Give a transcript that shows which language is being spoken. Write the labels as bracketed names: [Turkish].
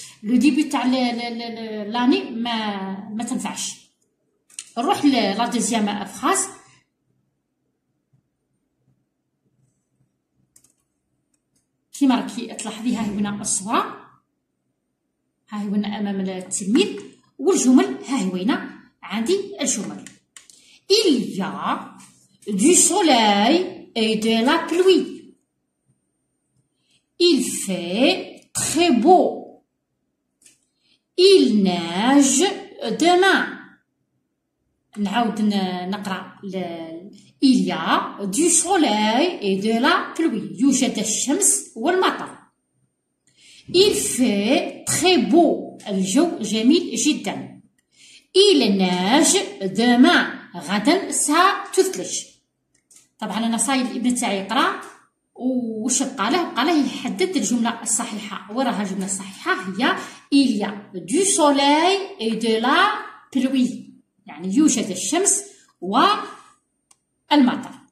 [Arabic] لو ديبي تاع لاني ما تنفعش. نروح لا دوزيام فراس. كيما راكي تلاحظيها هنا الصوره، ها هي هنا امام التلميذ، والجمل ها هي هنا. عندي الجمل [French] il y a du soleil et de la pluie، il fait très beau، il neige demain. [Arabic] نعاود نقرا [French] il y a du soleil et de la pluie، [Arabic] يوجد الشمس والمطر. [French] il fait très beau، [Arabic] الجو جميل جدا. [French] il neige demain، [Arabic] غدا ستثلج. طبعا انا صايب الابن تاعي يقرا، وش بقى له؟ بقى له يحدد الجمله الصحيحه. وراها الجمله الصحيحه هي [French] il y a du soleil et de la pluie، [Arabic] يعني يوجد الشمس والمطر.